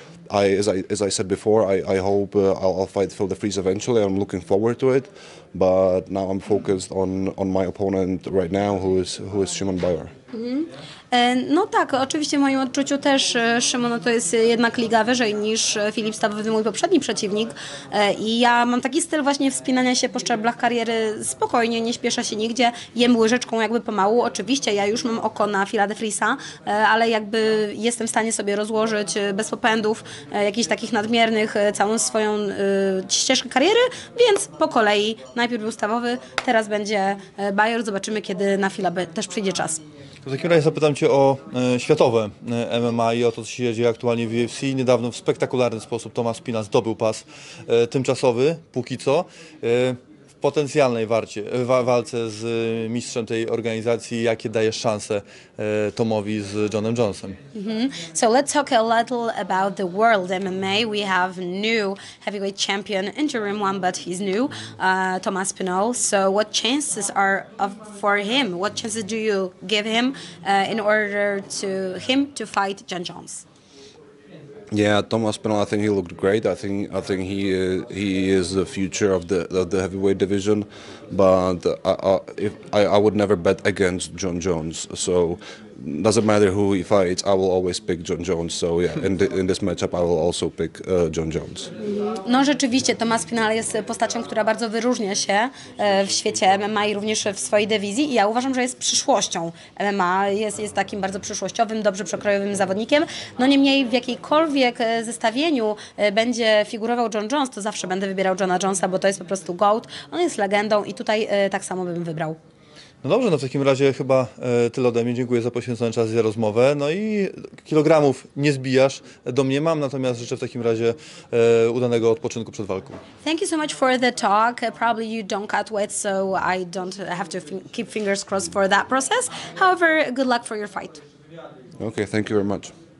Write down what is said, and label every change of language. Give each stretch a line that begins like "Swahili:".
English: As I said before, I hope I'll fight Phil DeVries eventually. I'm looking forward to it, but now I'm focused on my opponent right now, who is Szymon Bayer. Mm-hmm.
Polish: No tak, oczywiście w moim odczuciu też Szymon to jest jednak liga wyżej niż Filip Stawowy, mój poprzedni przeciwnik. I ja mam taki styl właśnie wspinania się po szczeblach kariery spokojnie, nie śpieszę się nigdzie, jem łyżeczką jakby pomału. Oczywiście ja już mam oko na Phila DeVriesa, ale jakby jestem w stanie sobie rozłożyć bez popędów jakichś takich nadmiernych całą swoją ścieżkę kariery, więc po kolei najpierw był Stawowy, teraz będzie Bayer, zobaczymy kiedy na Phila też przyjdzie czas. W takim razie zapytam Cię o światowe MMA i o to, co się dzieje aktualnie w UFC. Niedawno w spektakularny sposób Tomas Pina zdobył pas tymczasowy, póki co, w potencjalnej walce z mistrzem tej organizacji. Jakie dajesz szanse Tomowi z Jonem Jonesem? Mm-hmm.
English: So let's talk a little about the world MMA. We have new heavyweight champion, interim one, but he's new, Tomas Pinal. So what chances are for him? What chances do you give him in order to him to fight John Jones? Yeah, Tomas Pinal, I think he looked great. I think he is the future of the heavyweight division, but I would never bet against John Jones. So doesn't matter who he fights, I will always pick John Jones. So yeah, in this matchup I will also pick John Jones.
Polish: No rzeczywiście, Tomas Pinal jest postacią, która bardzo wyróżnia się w świecie MMA i również w swojej dywizji i ja uważam, że jest przyszłością MMA, jest takim bardzo przyszłościowym, dobrze przekrojowym zawodnikiem. No niemniej w jakiejkolwiek zestawieniu będzie figurował John Jones, to zawsze będę wybierał Johna Jonesa, bo to jest po prostu GOAT, on jest legendą i tutaj tak samo bym wybrał. No dobrze, no w takim razie chyba tyle ode mnie. Dziękuję za poświęcony czas i za rozmowę. No i kilogramów nie zbijasz, domniemam, natomiast życzę w takim razie udanego odpoczynku przed walką.
English: Thank you so much for the talk. Probably you don't cut weight, so I don't have to keep fingers crossed for that process. However, good luck for your fight. Okay, thank you very much.